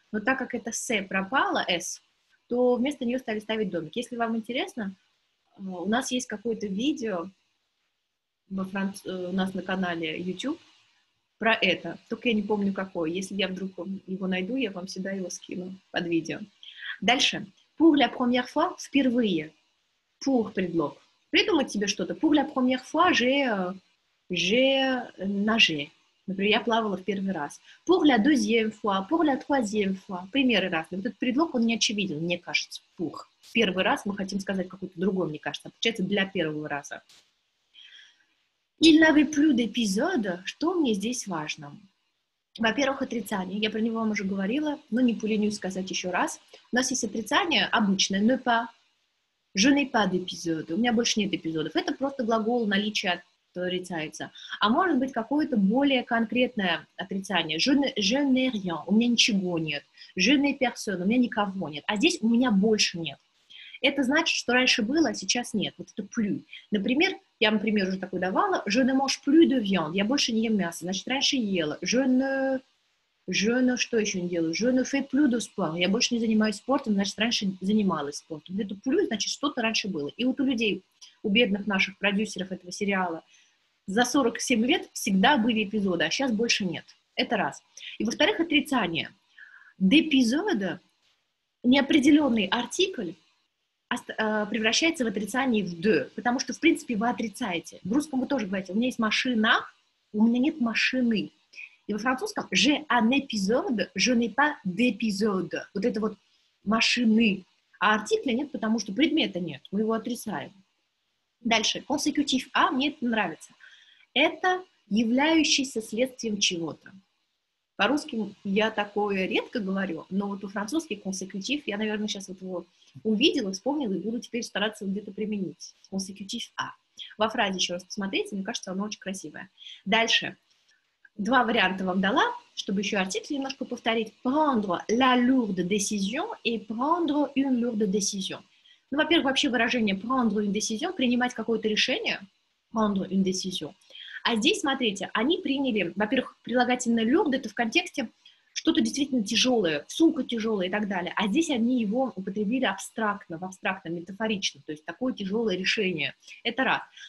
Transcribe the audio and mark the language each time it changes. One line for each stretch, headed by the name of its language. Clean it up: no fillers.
Russian: Но так как это «се» пропало, «с», то вместо нее стали ставить домик. Если вам интересно, у нас есть какое-то видео у нас на канале YouTube про это. Только я не помню, какое. Если я вдруг его найду, я вам всегда его скину под видео. Дальше.
French: «Pour la première fois» —
Russian: впервые. «Pour» — предлог. Придумать себе что-то.
French: «Pour la première fois» — «j'ai nagé».
Russian: Например, я плавала в первый раз.
French: Pour la deuxième fois, pour la troisième fois.
Russian: Примеры разные. Вот этот предлог, он не очевиден, мне кажется.
French: Pour.
Russian: Первый раз мы хотим сказать какой-то другой, мне кажется. Получается, для первого раза.
French: Il n'avait plus d'épisode.
Russian: Что мне здесь важно? Во-первых, отрицание. Я про него вам уже говорила, но не поленюсь сказать еще раз. У нас есть отрицание обычное.
French: Ne pas. Je n'ai pas d'épisode.
Russian: У меня больше нет эпизодов. Это просто глагол наличия отрицается. А может быть какое-то более конкретное отрицание.
French: Je n'ai rien.
Russian: У меня ничего нет.
French: Je n'ai personne.
Russian: У меня никого нет. А здесь у меня больше нет. Это значит, что раньше было, а сейчас нет. Вот это plus. Например, я вам пример уже такой давала.
French: Je ne mange plus de viande.
Russian: Я больше не ем мясо. Значит, раньше ела.
French: Je ne
Russian: что еще не делаю?
French: Je ne fais plus de sport.
Russian: Я больше не занимаюсь спортом. Значит, раньше занималась спортом. Вот это plus, значит, что-то раньше было. И вот у людей, у бедных наших продюсеров этого сериала, за 47 лет всегда были эпизоды, а сейчас больше нет. Это раз. И, во-вторых, отрицание. D'épisode, неопределенный артикль, превращается в отрицание в de, потому что, в принципе, вы отрицаете. В русском вы тоже говорите, у меня есть машина, у меня нет машины. И во французском
French: j'ai un épisode, je n'ai pas d'épisode.
Russian: Вот это вот машины. А артикля нет, потому что предмета нет. Мы его отрицаем. Дальше. Consecutif à, мне это нравится. Это являющийся следствием чего-то. По-русски я такое редко говорю, но вот у французский consecutif, я, наверное, сейчас вот его увидела, вспомнила и буду теперь стараться где-то применить.
French: Consecutif à.
Russian: Во фразе еще раз посмотрите, мне кажется, оно очень красивое. Дальше. 2 варианта вам дала, чтобы еще артикль немножко повторить.
French: Prendre la lourde décision и prendre une lourde décision.
Russian: Ну, во-первых, вообще выражение
French: prendre une décision,
Russian: принимать какое-то решение, prendre une décision. А здесь, смотрите, они приняли, во-первых, прилагательное lourde, это в контексте что-то действительно тяжелое, сумка тяжелая и так далее. А здесь они его употребили абстрактно, в абстрактно, метафорично, то есть такое тяжелое решение. Это раз.